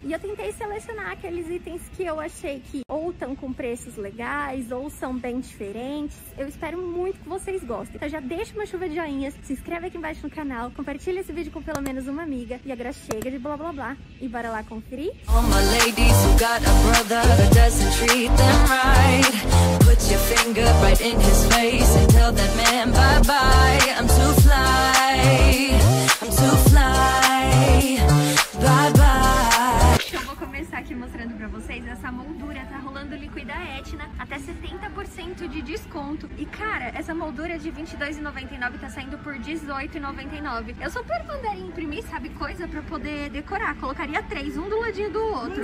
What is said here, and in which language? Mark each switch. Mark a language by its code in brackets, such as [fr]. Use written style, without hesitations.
[pt] E eu tentei selecionar aqueles itens que eu achei que ou estão com preços legais ou são bem diferentes. Eu espero muito que vocês gostem. Então já deixa uma chuva de joinhas, se inscreve aqui embaixo no canal, compartilha esse vídeo com pelo menos uma amiga e agora chega de blá blá blá e bora lá conferir? [en] All my ladies who got a brother that doesn't treat them right. Put your finger right in his face and tell that man bye bye. I'm too fly, I'm too fly, bye bye. [pt] Então vou começar aqui mostrando pra vocês essa moldura. Tá rolando Liquida Etna até 70% de desconto. E cara, essa moldura de R$22,99 tá saindo por R$18,99. Eu super mandaria imprimir, sabe, coisa pra poder decorar. Colocaria três, um do ladinho do outro.